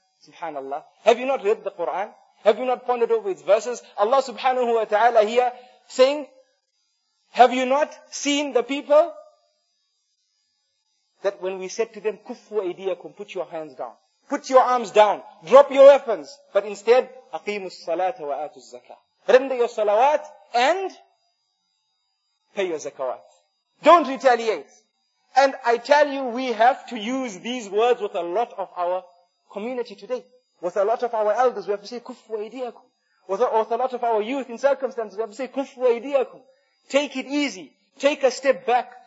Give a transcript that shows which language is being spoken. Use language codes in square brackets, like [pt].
[en] Subhanallah. Have you not read the Quran? Have you not pondered over its verses? Allah subhanahu wa ta'ala here saying, have you not seen the people? That when we said to them, [ar] كُفُّوا أَيْدِيَكُمْ, [en] put your hands down. Put your arms down. Drop your weapons. But instead, [ar] أَقِيمُ الصَّلَاةَ وَآتُ الزَّكَاةَ. [en] Render your salawat and pay your zakawat. Don't retaliate. And I tell you, we have to use these words with a lot of our community today. With a lot of our elders, we have to say, [ar] كُفُّوا أَيْدِيَكُمْ. [en] With a lot of our youth in circumstances, we have to say, كُفُّوا أَيْدِيَكُمْ. Take it easy. Take a step back.